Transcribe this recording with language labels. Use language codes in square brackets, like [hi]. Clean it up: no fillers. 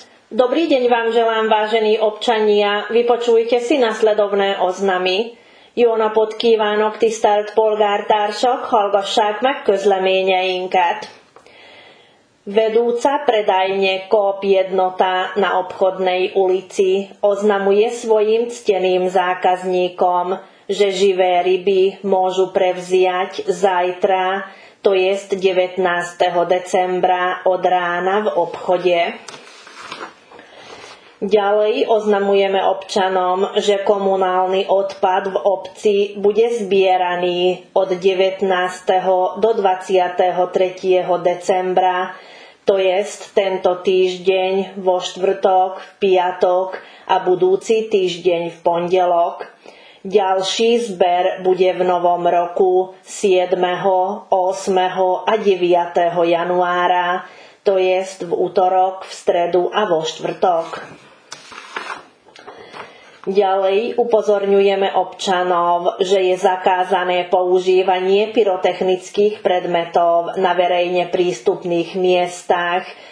[sk] Dobrý deň vám želám, vážení občania. Vypočujte si nasledovné oznamy. [hu] Jóna podkívánok tisztelt polgártársak, hallgassák meg közleményeinket. [sk] Vedúca predajne Coop jednota na obchodnej ulici oznamuje svojim cteným zákazníkom, že živé ryby môžu prevziať zajtra, to jest 19. decembra od rána v obchode. Ďalej oznamujeme občanom, že komunálny odpad v obci bude zbieraný od 19. do 23. decembra, to jest tento týždeň vo štvrtok, v piatok a budúci týždeň v pondelok. Ďalší zber bude v novom roku 7., 8. a 9. januára, to jest v utorok, v stredu a vo štvrtok. Ďalej upozorňujeme občanov, že je zakázané používanie pyrotechnických predmetov na verejne prístupných miestach,